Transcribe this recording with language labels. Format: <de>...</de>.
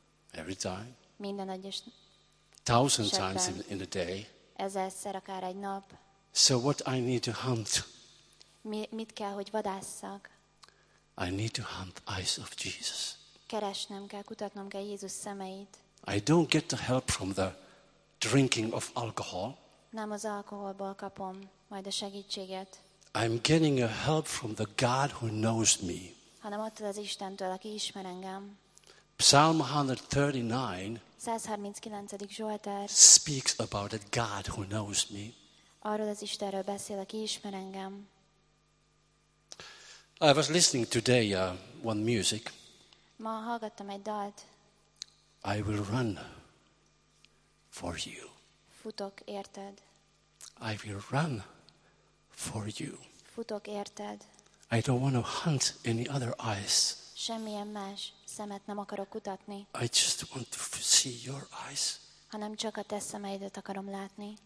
<en>Every time.</en> <hu>Minden egyes.</hu> <en>Thousand times in a day.</en> <hu>Ezerszer akár egy nap.</hu> <en>So what I need to hunt.</en> <hu>Mit kell, hogy vadásszak?</hu> <en>I need to hunt eyes of Jesus.</en> <hu>Keresnem kell, kutatnom kell Jézus szemeit.</hu> <en>I don't get the help from the drinking of alcohol.</en> <hu>Nem az alkoholból kapom majd a segítséget.</hu> <en>I'm getting a help from the God who knows me.</en> <hu>Hanem attól az Istentől, aki ismer engem.</hu> <en>Psalm 139.</en> <hu>139. Zsoltár.</hu> <en>Speaks about a God who knows me.</en> <hu>Arról az Istenről beszél, aki ismer engem.</hu> <en>I was listening today one music.</en> <hu>Ma hallgattam egy dalt.</hu> <en>I will run for you.</en> <hu>Futok érted.</hu> <en>I will run for you.</en> <hu>Futok érted.</hu> <en>I don't want to hunt any other eyes.</en> <hu>Semmilyen más szemet nem akarok kutatni.</hu> <en>I just want to see your eyes.</en> <hu>Hanem csak a te szemeidet akarom látni.</hu>